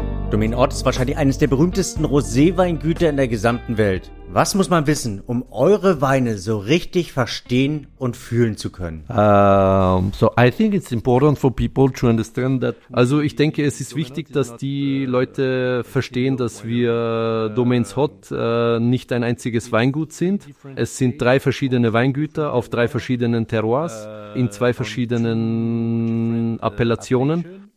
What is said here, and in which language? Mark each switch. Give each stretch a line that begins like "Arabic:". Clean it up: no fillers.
German: Domaine Ott ist wahrscheinlich eines der berühmtesten Roséweingüter in der gesamten Welt. Was muss man wissen, um eure Weine so richtig verstehen und fühlen zu können?
English: I think it's important for people to understand that.
German: Also ich denke, es ist wichtig, dass die Leute verstehen, dass wir Domaine Ott nicht ein einziges Weingut sind. Es sind 3 verschiedene Weingüter auf 3 verschiedenen Terroirs in 2 verschiedenen Appellationen.